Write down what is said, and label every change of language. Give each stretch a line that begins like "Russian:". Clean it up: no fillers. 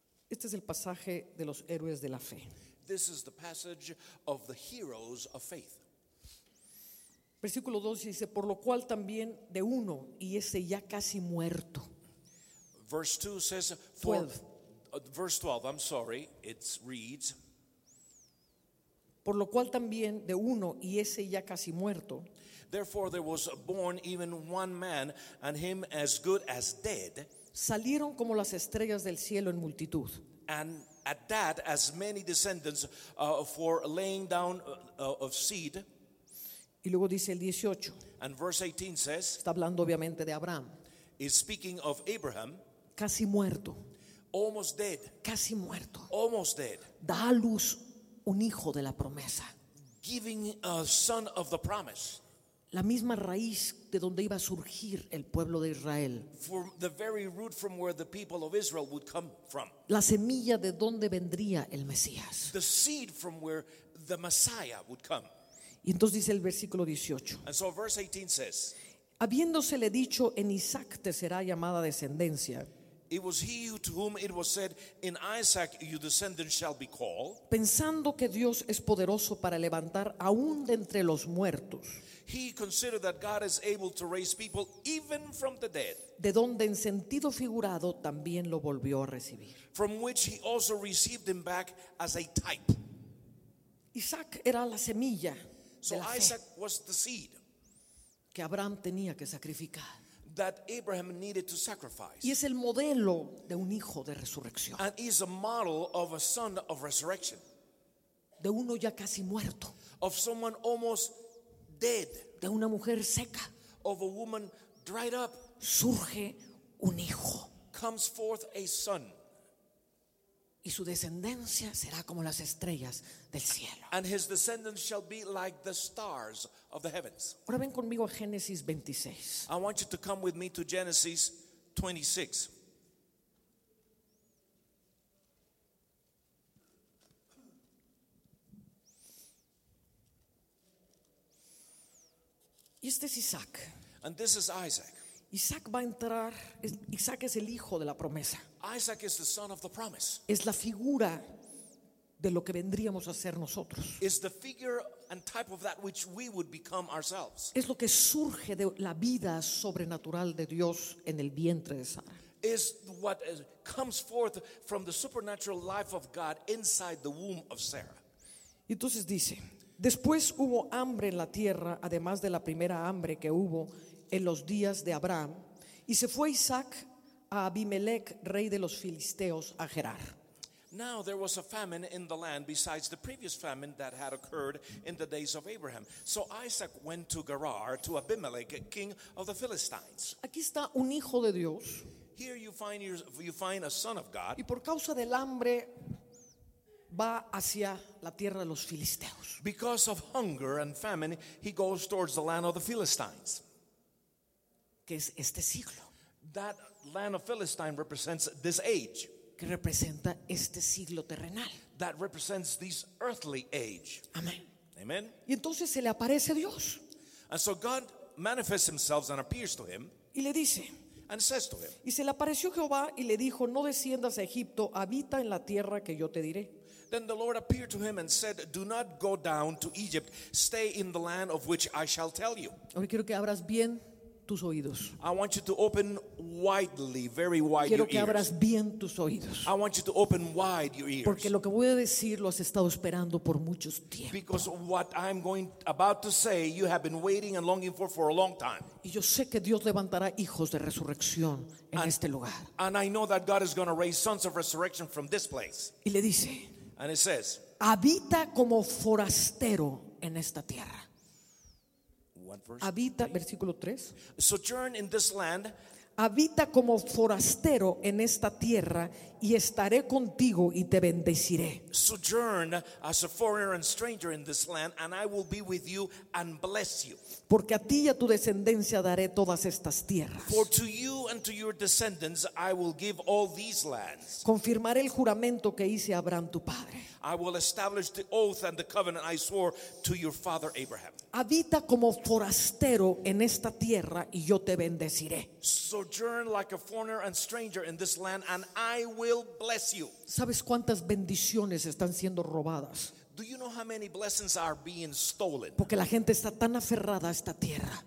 Spanish: Este es el pasaje de los héroes de la fe.
English: This is the passage of the heroes of faith.
Spanish: Versículo 12 dice, por lo cual también de uno, y ese ya casi muerto.
English: Verse 2 says, it reads,
Spanish: por lo cual también de uno, y ese ya casi muerto.
English: Therefore there was born even one man, and him as good as dead.
Spanish: Salieron como las estrellas del cielo en multitud.
English: And at that, as many descendants for laying down of seed.
Spanish: Y luego dice el 18.
English: And verse 18 says,
Spanish: está hablando obviamente de Abraham.
English: Is speaking of Abraham.
Spanish: Casi muerto.
English: Almost dead.
Spanish: Casi muerto.
English: Almost dead.
Spanish: Da a luz un hijo de la promesa.
English: Giving a son of the promise.
Spanish: La misma raíz de donde iba a surgir el pueblo de Israel.
English: From the very root from where the people of Israel would come from.
Spanish: La semilla de donde vendría el Mesías.
English: The seed from where the Messiah would come.
Spanish: Y entonces dice el versículo 18.
English: And so verse 18 says,
Spanish: habiéndosele dicho, en Isaac te será llamada descendencia.
English: It was he to whom it was said, in Isaac your descendants shall be called.
Spanish: Pensando que Dios es poderoso para levantar aún de entre los muertos.
English: He considered that God is able to raise people even from the dead.
Spanish: De donde en sentido figurado también lo volvió a recibir.
English: From which he also received him back as a type.
Spanish: Isaac era la semilla.
English: So Isaac was the seed
Spanish: que Abraham tenía que sacrificar.
English: That Abraham needed to sacrifice.
Spanish: Y es el modelo de un hijo de resurrección.
English: And is a model of a son of resurrection.
Spanish: De uno ya casi muerto.
English: Of someone almost dead.
Spanish: De una mujer seca.
English: Of a woman dried up.
Spanish: Surge un hijo.
English: Comes forth a son.
Spanish: Y su descendencia será como las estrellas del cielo.
English: And his descendants shall be like the stars of the heavens.
Spanish: Ahora ven conmigo a Génesis 26.
English: I want you to come with me to Genesis 26.
Spanish: Y este es Isaac.
English: And this is Isaac.
Spanish: Isaac va a entrar. Isaac es el hijo de la promesa.
English: Isaac is the son of the promise.
Spanish: Es la figura de lo que vendríamos a ser nosotros.
English: Is the figure and type of that which we would become ourselves.
Spanish: Es lo que surge de la vida sobrenatural de Dios en el vientre de Sara.
English: Is what comes forth from the supernatural life of God inside the womb of Sarah.
Spanish: Y entonces dice, después hubo hambre en la tierra, además de la primera hambre que hubo en los días de Abraham, y se fue Isaac a Abimelech, rey de los Filisteos, a Gerar.
English: Now there was a famine in the land besides the previous famine that had occurred in the days of Abraham. So Isaac went to Gerar, to Abimelech, king of the Philistines.
Spanish: Aquí está un hijo de Dios.
English: Here you find a son of God.
Spanish: Y por causa del hambre va hacia la tierra de los Filisteos.
English: Because of hunger and famine, he goes towards the land of the Philistines.
Spanish: Que es este siglo.
English: That land of Philistine represents this age.
Spanish: Que representa este siglo terrenal.
English: That represents this earthly age.
Spanish: Amén.
English: Amen.
Spanish: Y entonces se le aparece Dios.
English: And so God manifests himself and appears to him.
Spanish: Y le dice.
English: And says to him.
Spanish: Y se le apareció Jehová y le dijo, no desciendas a Egipto, habita en la tierra que yo te diré.
English: Then the Lord appeared to him and said, do not go down to Egypt, stay in the land of which I shall tell you.
Spanish: Ahora quiero que abras bien tus oídos.
English: I want you to open widely, very wide
Spanish: quiero
English: your
Spanish: que
English: ears.
Spanish: Abras bien tus oídos.
English: I want you to open wide your ears.
Spanish: Porque lo que voy a decir lo has estado esperando por mucho tiempo.
English: Because what I'm going about to say, you have been waiting and longing for a long time.
Spanish: Y yo sé que Dios levantará hijos de resurrección en
English: and,
Spanish: este lugar.
English: And I know that God is going to raise sons of resurrection from this place.
Spanish: Y le dice,
English: and it says,
Spanish: habita como forastero en esta tierra. Habita, versículo 3.
English: Sojourn in this land.
Spanish: Habita como forastero en esta tierra y estaré contigo y te bendeciré.
English: Sojourn as a foreigner and stranger in this land, and I will be with you and bless you.
Spanish: Porque a ti y a tu descendencia daré todas estas tierras.
English: For to you and to your descendants I will give all these lands.
Spanish: Confirmaré el juramento que hice a Abraham tu padre.
English: I will establish the oath and the covenant I swore to your father Abraham.
Spanish: Habita como forastero en esta tierra y yo te bendeciré.
English: Sojourn like a foreigner and stranger in this land and I will bless you.
Spanish: ¿Sabes cuántas bendiciones están siendo robadas?
English: Do you know how many blessings are being stolen?
Spanish: Porque la gente está tan aferrada a esta tierra.